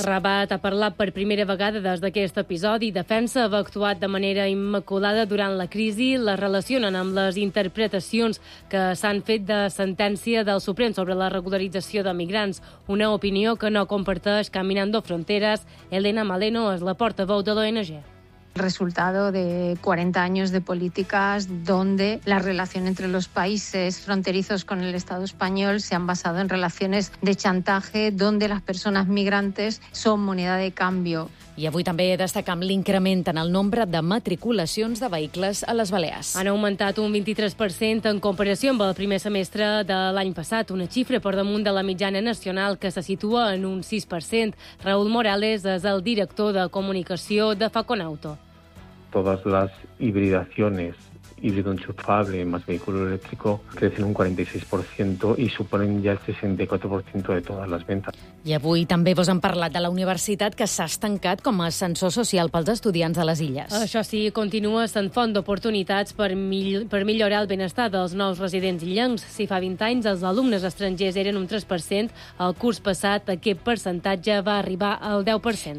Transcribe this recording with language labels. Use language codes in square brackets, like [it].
[ca] Rabat ha parlat per primera vegada des d'aquest episodi. Defensa ha actuat de manera immaculada durant la crisi. La relacionen amb les interpretacions que s'han fet de sentència del Suprem sobre la regularització de migrants, una opinió que no comparteix Caminando Fronteras. Elena Maleno és la portaveu de l'ONG. [es] El resultado de 40 años de políticas donde la relación entre los países fronterizos con el Estado español se han basado en relaciones de chantaje donde las personas migrantes son moneda de cambio. [ca] I avui també destacam l'increment en el nombre de matriculacions de vehicles a les Balears. Han augmentat un 23% en comparació amb el primer semestre de l'any passat, una xifra per damunt de la mitjana nacional que se situa en un 6%. Raúl Morales és el director de comunicació de Faconauto. [es] Todas las hibridaciones, híbrido enchufable más vehículo eléctrico, crecen un 46% y suponen ya el 64% de todas las ventas. [ca] I avui també vos han parlat de la universitat que s'ha estancat com a ascensor social pels estudiants de les illes. Això sí, continua sent font d'oportunitats per millorar el benestar dels nous residents illencs. Si fa 20 anys els alumnes estrangers eren un 3%, el curs passat aquest percentatge va arribar al 10%.